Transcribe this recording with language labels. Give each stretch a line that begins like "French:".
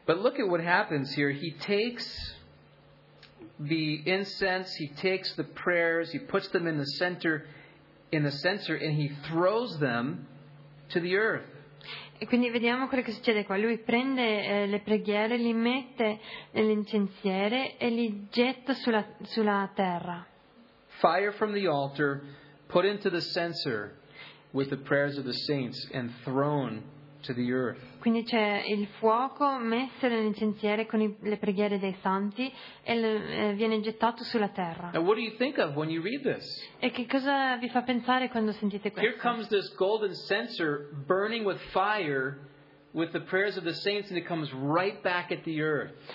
English: But look at what happens here. He takes the incense, he takes the prayers, he puts them in the center, and he throws them to the earth.
Italian: E quindi vediamo quello che succede qua. Lui prende le preghiere, li mette nell'incensiere e li getta sulla terra.
English: Fire from the altar put into the censer with the prayers of the saints and thrown to the earth.
Italian: Quindi c'è il fuoco messo nell'incensiere con le preghiere dei santi e viene gettato sulla terra.
English: And what do you think of when you read this?
Italian: E che cosa vi fa pensare quando sentite questo?
English: Here comes this golden censer burning with fire with the prayers of the saints, and it comes right back at the earth.